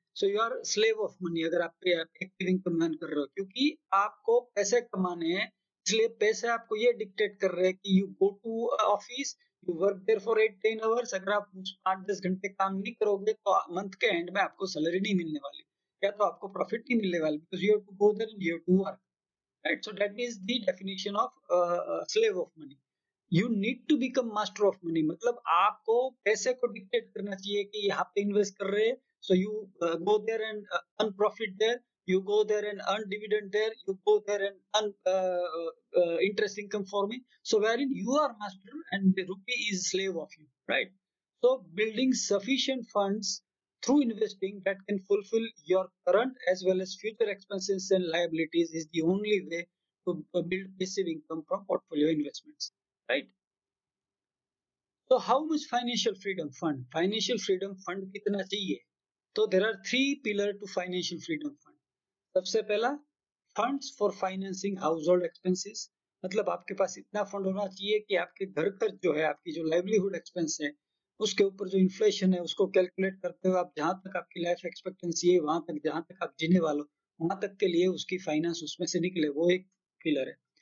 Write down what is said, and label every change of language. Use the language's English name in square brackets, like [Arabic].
[English] so you are slave of money [Hindi] अगर आप active income earn कर रहे हो, क्योंकि आपको पैसे कमाने हैं, इसलिए पैसे आपको ये डिक्टेट कर रहे हैं कि [English] You go to office, you work there for 8-10 hours. [Hindi] अगर आप 8-10 घंटे काम नहीं करोगे तो मंथ के एंड में आपको सैलरी नहीं मिलने वाली, या तो आपको प्रॉफिट नहीं मिलने वाला, [English] Because you have to go there and you have to work. Right, so that is the definition of slave of money. You need to become master of money. [Hindi] मतलब आपको पैसे को dictate करना चाहिए कि यहाँ पे invest कर रहे हैं, [English] so you go there and earn profit there, you go there and earn dividend there, you go there and earn interest income for me. So wherein you are master and the rupee is slave of you, right? So building sufficient funds through investing that can fulfill your current as well as future expenses and liabilities is the only way to build passive income from portfolio investments, right? So how much financial freedom fund? Financial freedom fund [Hindi] कितना चाहिए? [English] तो there are three pillar to financial freedom fund. [Hindi] सबसे पहला [English] funds for financing household expenses. [Hindi] मतलब आपके पास इतना fund होना चाहिए कि आपके घर खर्च जो है, आपकी जो livelihood expense है, उसके ऊपर जो इन्फ्लेशन है उसको कैलकुलेट करते हुए आप जहां तक आपकी लाइफ एक्सपेक्टेंसी है वहां तक, जहां तक आप जीने वालों वहां तक के लिए उसकी फाइनेंस उसमें से निकले, वो एक पिलर है.